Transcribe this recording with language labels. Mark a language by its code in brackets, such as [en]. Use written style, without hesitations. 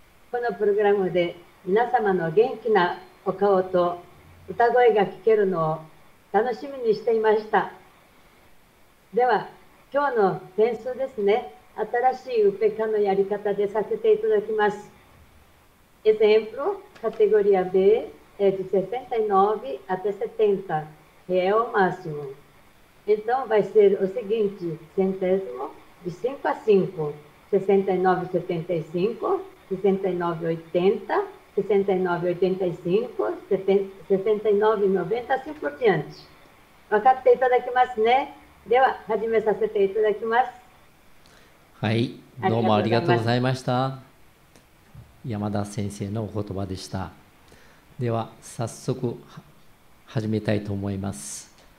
[ja] このプログラムで皆様の元気なお顔と歌声が聞けるのを楽しみにしていました。では今日の点数ですね。新しいウペカのやり方でさせていただきます。 [pt] Exemplo, categoria B é de 69 até 70, que é o máximo. Então vai ser o seguinte, centésimo de 5 a 5, 69,75, 69,80, 69,85, 69,90, assim por diante. [ja] わかっていただきますね。では始めさせていただきます。はい、どうもありがとうございました。山田先生のお言葉でした。では早速始めたいと思います。